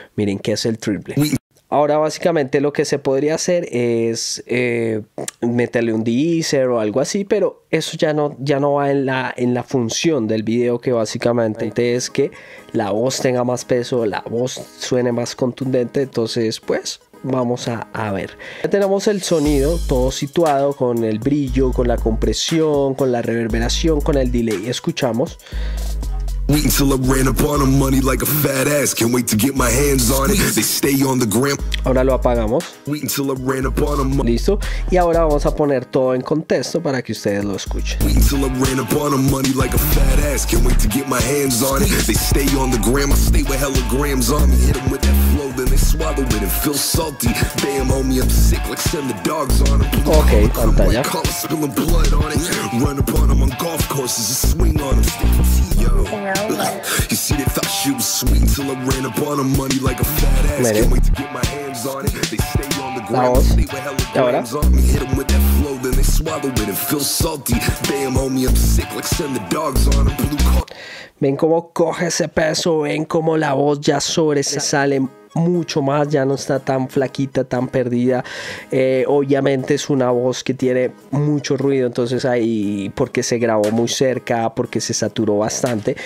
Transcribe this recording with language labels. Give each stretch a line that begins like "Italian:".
Spanish: Miren que es el triple. Ahora básicamente lo que se podría hacer es meterle un deezer o algo así, pero eso ya no va en la función del video, que básicamente es que la voz tenga más peso, la voz suene más contundente. Entonces pues vamos a ver. Ya tenemos el sonido todo situado, con el brillo, con la compresión, con la reverberación, con el delay. Escuchamos.
English: Wait until I ran up on the money like a fat ass. Can't wait to get my hands on it. They stay on the gram.
Spanish: Ahora lo apagamos.
English: Wait until I ran up on the money.
Spanish: Listo. Y ahora vamos a poner todo en contexto para que ustedes lo escuchen.
English: Wait until I ran up on the money like a fat ass. Can't wait to get my hands on it. They stay on the gram. I stay with hella grams on me. Hit them with that flow, then they swallow it and feel salty. Damn, homie, I'm sick like send the dogs on them. Okay, pantalla. Color spilling blood on it. Run up on them on golf courses and swing on them. Stay with me, yo. You see, they thought she was sweet until I ran up on her money like a fat ass. Can't wait to get my hands on it. They stay on the ground, sleep with hella grams on me. Hit them with that flow, then they swallow it and feel salty. Damn, homie, I'm sick like send the dogs on a blue car.
Spanish: Ven cómo coge ese peso, ven cómo la voz ya sobresale mucho más, ya no está tan flaquita, tan perdida. Obviamente es una voz que tiene mucho ruido, entonces ahí porque se grabó muy cerca, porque se saturó bastante.